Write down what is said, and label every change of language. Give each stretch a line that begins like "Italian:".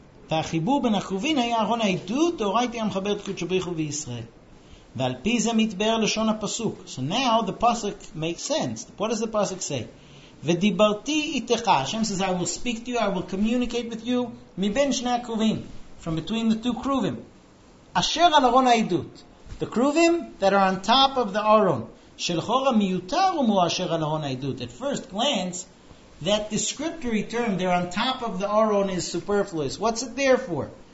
Hebrew: והחיבור בין הכרובים היה ארון העדות, דאורייתא היה מחבר את קודשו ברוך הוא בישראל. ועל פי זה מתבאר לשון הפסוק.
English: So now the pasuk makes sense. What does the pasuk say?
Hebrew: ודיברתי איתך,
English: השם says, I will speak to you, I will communicate with you,
Hebrew: מבין שני הכרובים,
English: from between the two כרובים.
Hebrew: אשר על ארון העדות.
English: The כרובים that are on top of the ארון.
Hebrew: שלכאורה מיותר הוא מאשר על ארון העדות.
English: At first glance, that descriptory term, they're on top of the Aron, is superfluous. What's it there for?